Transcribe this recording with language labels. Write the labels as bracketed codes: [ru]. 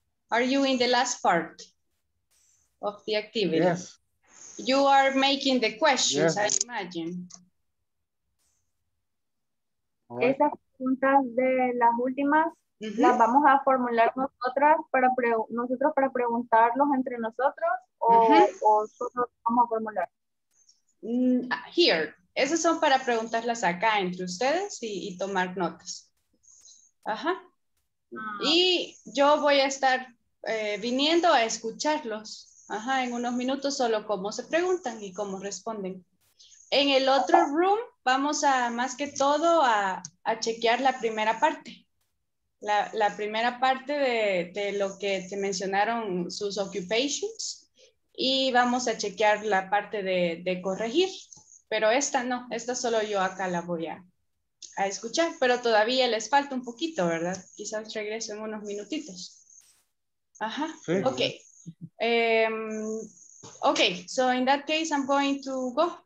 [en] Are you in the last part of the activity? Yes. You are making the questions, yes. I imagine. [es] Esas preguntas de las últimas las vamos a formular nosotras para nosotros para preguntarlos entre nosotros o solo vamos a formular. [en] Here. [es] Esas son para preguntarlas acá entre ustedes y tomar notas. Y yo voy a estar viniendo a escucharlos en unos minutos solo cómo se preguntan y cómo responden. En el otro room vamos a más que todo a chequear la primera parte. La primera parte de lo que te mencionaron sus occupations y vamos a chequear la parte de corregir. Pero esta no, esta solo yo acá la voy a escuchar, pero todavía les falta un poquito, ¿verdad? Quizás regreso en unos minutitos. [en] Okay, so in that case, I'm going to go.